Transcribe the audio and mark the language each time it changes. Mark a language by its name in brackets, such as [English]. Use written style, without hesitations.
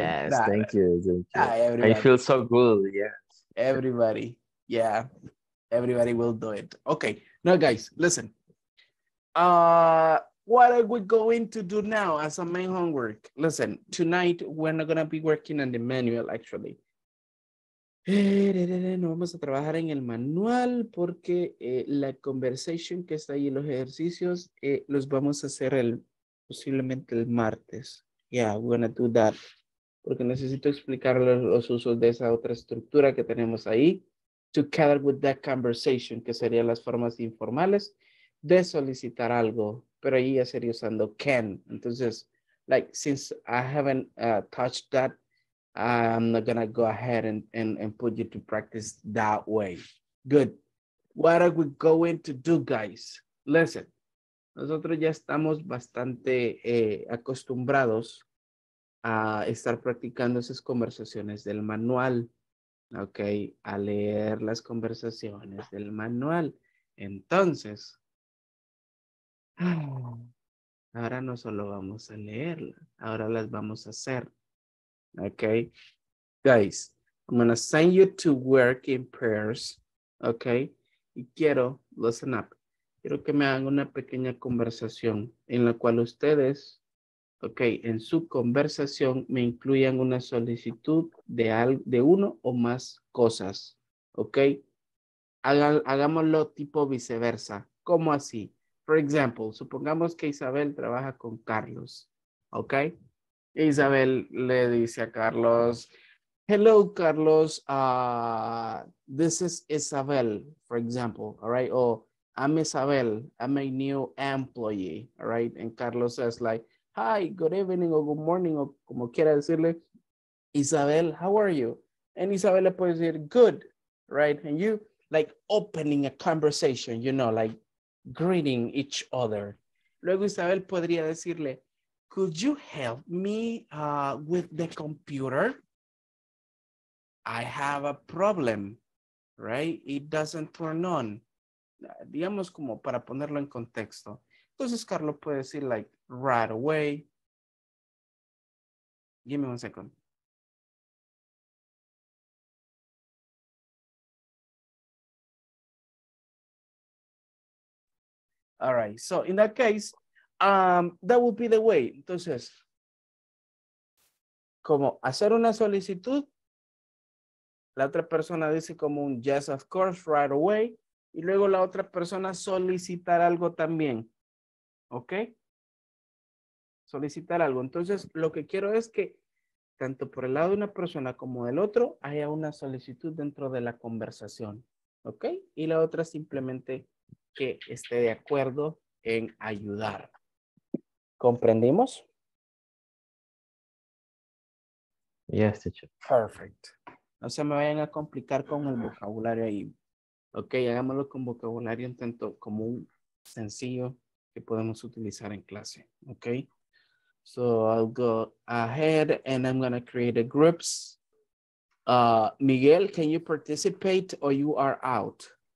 [English] Yes, thank you. I feel so good. Yes. Everybody. Yeah. Everybody will do it. Okay. Now, guys, listen. what are we going to do now as a main homework? Listen, tonight we're not going to be working on the manual, actually. [Spanish] No vamos a trabajar en el manual porque la conversation que está ahí, los ejercicios, los vamos a hacer posiblemente el martes. [English] Yeah, we're going to do that. [Spanish] Porque necesito explicar los usos de esa otra estructura que tenemos ahí. [English] Together with that conversation, [Spanish] que serían las formas informales de solicitar algo. Pero ahí ya sería usando can. Entonces, [English] like, since I haven't touched that, I'm not going to go ahead and put you to practice that way. Good. What are we going to do, guys? Listen. [Spanish] Nosotros ya estamos bastante acostumbrados a estar practicando esas conversaciones del manual, ¿ok? A leer las conversaciones del manual. Entonces, ahora no solo vamos a leerlas, ahora las vamos a hacer, ¿ok? [English] Guys, I'm going to send you to work in pairs, ¿ok? [Spanish] Y quiero, [English] listen up, [Spanish] quiero que me hagan una pequeña conversación en la cual ustedes, ok, en su conversación me incluyan una solicitud de uno o más cosas, ok. Hagámoslo tipo viceversa. ¿Cómo así? [English] For example, [Spanish] supongamos que Isabel trabaja con Carlos, ok. [English] Isabel [Spanish] le dice a [English] Carlos, hello Carlos, this is Isabel, for example, all right, o I'm Isabel, I'm a new employee, all right? And Carlos says like, hi, good evening, or good morning, [Spanish] o como quiera decirle, [English] Isabel, how are you? And Isabel [Spanish] le puede decir, [English] good, right? And you, like, opening a conversation, you know, like, greeting each other. [Spanish] Luego Isabel podría decirle, [English] could you help me with the computer? I have a problem, right? It doesn't turn on. [Spanish] Digamos como para ponerlo en contexto. Entonces, Carlos puede decir, [English] like, right away. Give me one second. All right. So, in that case, that would be the way. [Spanish] Entonces, como hacer una solicitud, la otra persona dice como un [English] yes, of course, right away. [Spanish] Y luego la otra persona solicitar algo también. ¿Ok? Solicitar algo. Entonces, lo que quiero es que tanto por el lado de una persona como del otro, haya una solicitud dentro de la conversación. ¿Ok? Y la otra simplemente que esté de acuerdo en ayudar. ¿Comprendimos? [English] Yes, teacher. Perfect. [Spanish] No se me vayan a complicar con el vocabulario ahí. Ok, hagámoslo con vocabulario un tanto común, sencillo, que podemos utilizar en clase. [English] Ok, so I'll go ahead and I'm going to create a groups. Miguel, can you participate or you are out?